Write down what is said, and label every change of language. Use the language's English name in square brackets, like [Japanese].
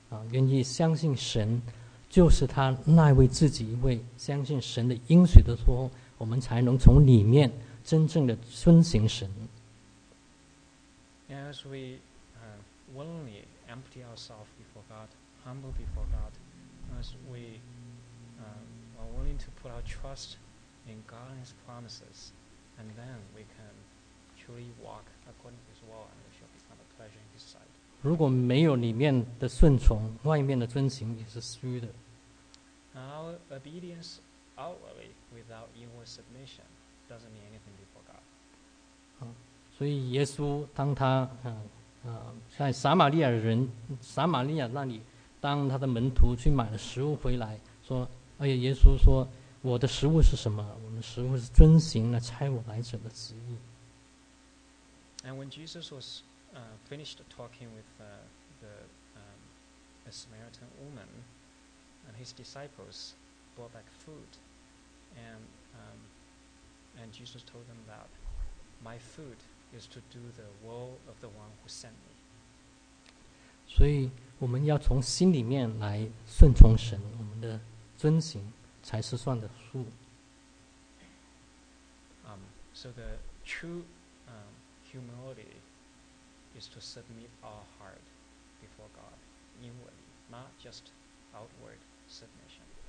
[Chinese] 愿意相信神就是他那位自己一位相信神的应许的时候我们才能从里面真正的遵行神 [English] As we willingly empty ourselves before God humble before God as we are willing to put our trust in God and His promises and then we can truly walk according to His will and we shall become a pleasure in His sight [Chinese] 如果没有里面的顺从，外面的遵行也是虚的。 [English] Our obedience outwardly without inward submission doesn't mean anything before God. [Chinese] 所以耶稣当他在撒玛利亚那里，当他的门徒去买了食物回来，说，而且耶稣说，我的食物是什么？我们的食物是遵行了差我来者的旨意。 [English] And when Jesus was finished talking with a Samaritan woman and his disciples brought back food and Jesus told them that my food is to do the will of the one who sent me [Chinese] 所以我们要从心里面来顺从神我们的遵行才是算的数 [English] So the true humility is to submit our heart before God inwardly, not just outward submission.